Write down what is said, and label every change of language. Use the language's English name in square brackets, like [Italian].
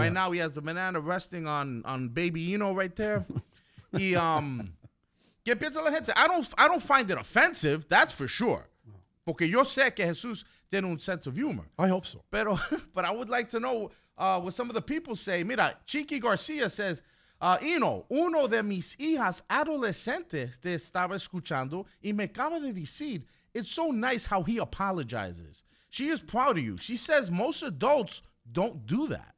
[English] Right now he has the banana resting on baby Eno right there. [Spanish] Y qué piensa la gente? [English] I don't find it offensive, that's for sure. [Spanish] Porque yo sé que Jesús tiene un [English] sense of humor. I hope so. But I would like to know what some of the people say. [Spanish] Mira, Chiqui García says, Eno, uno de mis hijas adolescentes te estaba escuchando y me acaba de decir, [English] it's so nice how he apologizes. She is proud of you. She says most adults don't do that.